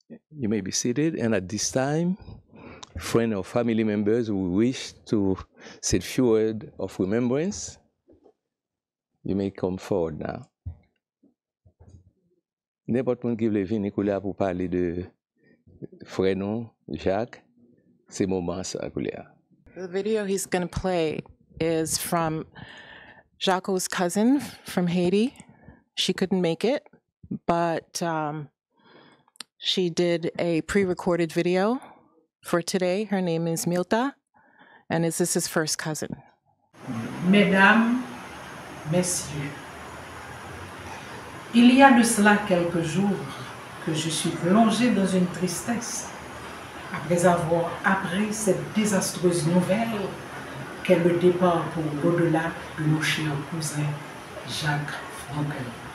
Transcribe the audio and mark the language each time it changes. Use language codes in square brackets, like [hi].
[en] You may be seated, and at this time, friends or family members who wish to say a few words of remembrance, you may come forward now. [fr] N'importe qui veut venir écouler pour parler de Frénon Jacques, c'est moment ça écouler. [en] The video he's going to play is from Jaco's cousin from Haiti. She couldn't make it, but she did a pre-recorded video for today. Her name is Milta, and is this his first cousin? [fr] Mesdames, messieurs, il y a de cela quelques jours que je suis plongée dans une tristesse après avoir appris cette désastreuse nouvelle qu'est le départ pour l'au-delà de mon cher cousin Jacques Francoeur.